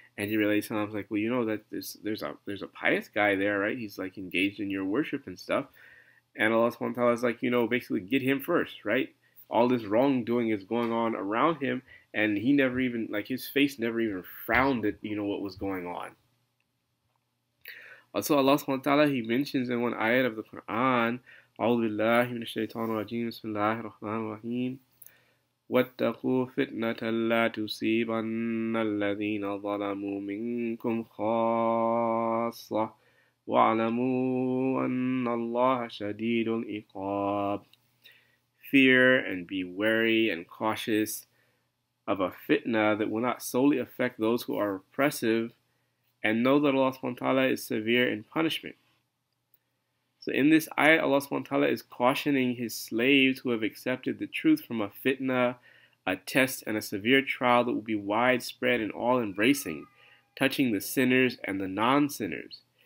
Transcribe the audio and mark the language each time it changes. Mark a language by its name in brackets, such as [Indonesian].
[English] And Jibreel alayhi salam is like, well, you know that there's a pious guy there, right? He's like engaged in your worship and stuff. And Allah subhanahu wa ta'ala is like, you know, basically get him first, right? All this wrongdoing is going on around him, and he never even, like, his face never even frowned at, you know, what was going on. Also, Allah subhanahu wa ta'ala, he mentions in one ayat of the Quran, [Arabic] أعوذ بالله من الشيطان الرجيم بسم الله الرحمن الرحيم واتقوا فتنة لا تصيبن الذين ظلموا منكم خاصة واعلموا أن الله شديد العقاب. [English] Fear and be wary and cautious of a fitna that will not solely affect those who are oppressive, and know that Allah subhanahu wa ta'ala is severe in punishment. So in this ayat, Allah subhanahu wa ta'ala is cautioning his slaves who have accepted the truth from a fitna, a test, and a severe trial that will be widespread and all-embracing, touching the sinners and the non-sinners.